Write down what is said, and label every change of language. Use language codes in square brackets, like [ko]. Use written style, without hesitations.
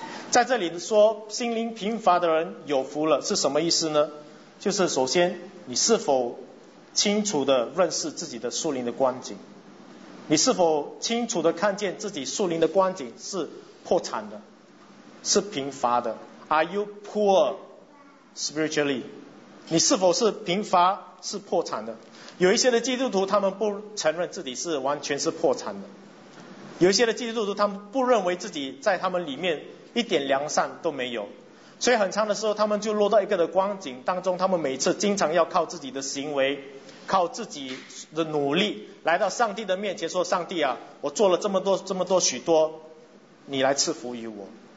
[zh] 在这里说心灵贫乏的人有福了是什么意思呢？就是首先你是否清楚地认识自己的属灵的光景，你是否清楚地看见自己属灵的光景是破产的，是贫乏的。 [en] Are you poor spiritually? [zh] 你是否是贫乏是破产的？有一些的基督徒他们不承认自己是完全是破产的，有一些的基督徒他们不认为自己在他们里面一点良善都没有，所以很长的时候他们就落到一个的光景当中，他们每次经常要靠自己的行为，靠自己的努力来到上帝的面前说，上帝啊，我做了这么多这么多许多，你来赐福于我。